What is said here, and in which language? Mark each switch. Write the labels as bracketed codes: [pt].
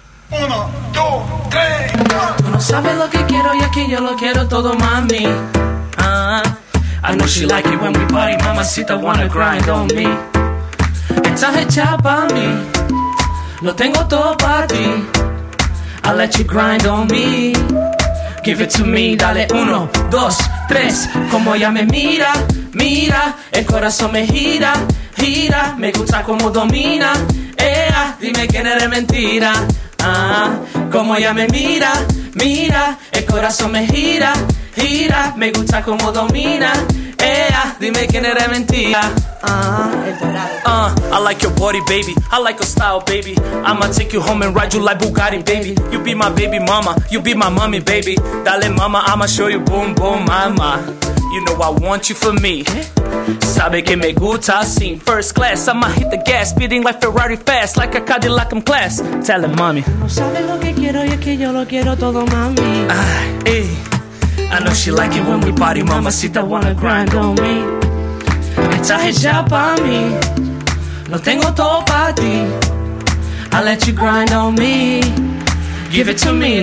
[es] Uno, dos, tres. Tú no sabes lo que quiero y aquí yo lo quiero todo, mami. [en] I know she like it when we party, mamacita wanna grind on me. [es] Estás hecha pa' mí. Lo tengo todo pa' ti. [en] I'll let you grind on me. Give it to me, [es] dale uno, dos, tres. Como ella me mira, mira, el corazón me gira, gira. Me gusta como domina, ea, dime quién eres mentira. Como ella me mira, mira, el corazón me gira, gira. Me gusta como domina, ea, dime quién eres mentira. [en] I like your body, baby. I like your style, baby. I'ma take you home and ride you like Bugatti, baby. You be my baby mama, you be my mommy, baby. [es] Dale mama, [en] I'ma show you boom, boom, mama. You know I want you for me. [es] Sabe que me gusta sin [en] first class. I'ma hit the gas, speeding like Ferrari fast. Like a Cadillac, I'm class. Tell him, mommy. [es] No sabe lo que quiero, yo que yo lo quiero todo, mami. [en] I know she like it when we party, mama. Mamacita wanna grind on me. [es] Está hecha pa' mí, lo tengo todo pa' ti. [en] I let you grind on me, give it to me.